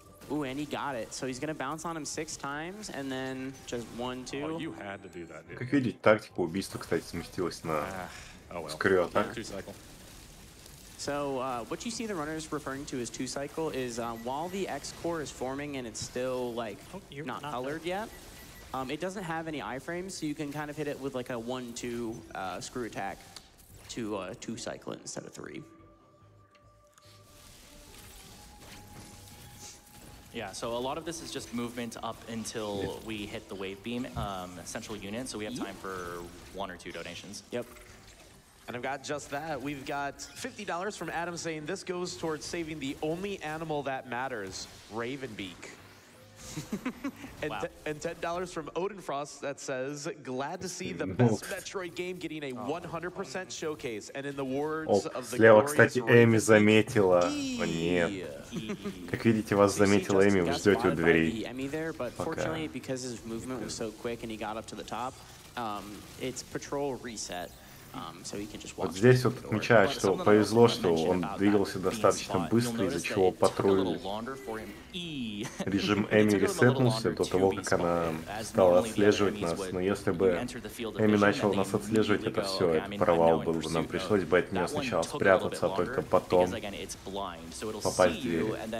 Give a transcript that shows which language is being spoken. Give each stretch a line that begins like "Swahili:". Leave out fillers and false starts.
English: Ooh, and he got it. So he's gonna bounce on him 6 times, and then just 1, 2. Oh, you had to do that, dude.
Russian: Как видите, тактика убийства, кстати, сместилась на скрёт, да?
English: So, what you see the runners referring to as 2-cycle is while the X-core is forming and it's still, like, not colored yet, it doesn't have any iframes, so you can kind of hit it with, like, a 1-2 screw attack to 2-cycle it instead of 3. Yeah, so a lot of this is just movement up until we hit the wave beam central unit, so we have time for 1 or 2 donations. Yep. And I've got just that. We've got $50 from Adam saying this goes towards saving the only animal that matters, Ravenbeak. And, wow. And $10 from Odinfrost that says, glad to see the best Metroid game getting a 100% showcase. And in the words of the glorious Ravenbeak.
Russian: Слева, кстати, Эми заметила. О, нет. Как видите, вас заметила Эми, вы ждете у двери.
English: Fortunately, because his movement was so quick and he got up to the top, it's patrol reset. So he can just walk
Russian: вот здесь вот отмечают, что повезло, что он двигался достаточно быстро, из-за чего патруль режим Эми ресетнулся до того, как она стала отслеживать нас. Но если бы Эми начала нас отслеживать, это все, это провал был бы. Нам пришлось бы от нее сначала спрятаться, а только потом попасть в дверь.